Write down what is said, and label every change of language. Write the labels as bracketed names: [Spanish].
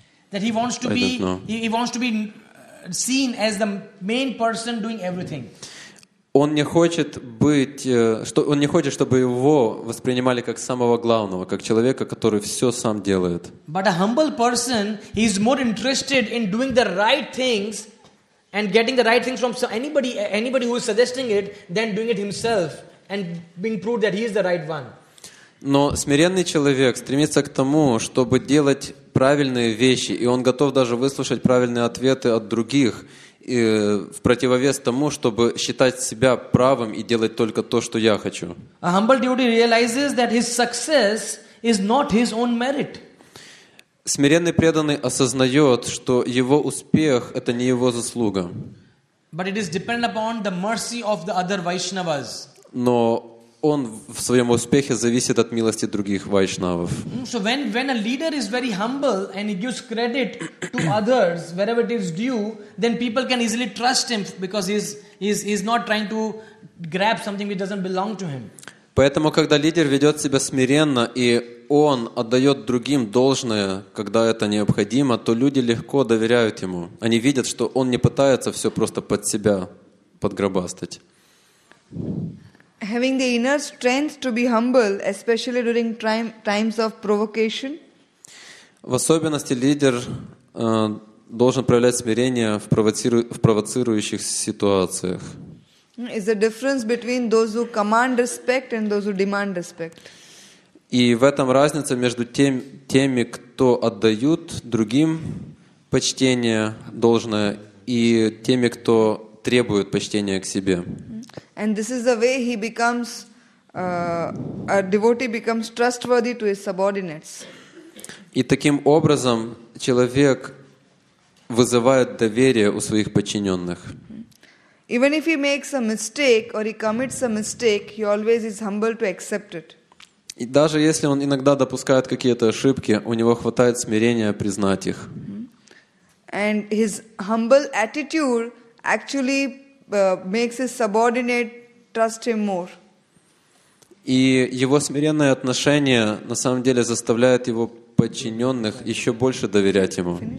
[English] that he wants to be, he wants to be seen as the main person doing everything. [Russian] Он не хочет быть, что он не хочет, чтобы его воспринимали как самого главного, как человека, который все сам делает. [English] But a humble person is more interested in doing the right things and getting the right things from anybody who is suggesting it than doing it himself and being proved that he is the right one. [Russian] Но смиренный человек стремится к тому, чтобы делать правильные вещи, и он готов даже выслушать правильные ответы от других, в противовес тому, чтобы считать себя правым и делать только то, что я хочу. [English] A humble devotee realizes that his success is not his own merit. [Russian] Смиренный преданный осознает, что его успех — это не его заслуга. [English] But it is dependent upon the mercy of the other Vaishnavas. [Russian] Но он в своем успехе зависит от милости других вайшнавов. [English] So when a leader is very humble and he gives credit to others wherever it is due, then people can easily trust him because he's not trying to grab something which doesn't belong to him. [Russian] Поэтому, когда лидер ведет себя смиренно и он отдает другим должное, когда это необходимо, то люди легко доверяют ему. Они видят, что он не пытается все просто под себя подгробастать. [English] Having the inner strength to be humble, especially during times of provocation. [Russian] В особенности лидер должен проявлять смирение в провоцирующих ситуациях. [English] Is the difference between those who command respect and those who demand respect. [Russian] И в этом разница между теми, кто отдают другим почтение должное, и теми, кто требует почтения к себе. [English] And this is the way he becomes a devotee becomes trustworthy to his subordinates. [Russian] И таким образом человек вызывает доверие у своих подчиненных. [English] Even if he makes a mistake or he commits a mistake, he always is humble to accept it. [Russian] И даже если он иногда допускает какие-то ошибки, у него хватает смирения признать их. [English] And his humble attitude actually makes his subordinate trust him more. [Russian] И его смиренное отношение на самом деле заставляет его подчиненных еще больше доверять ему.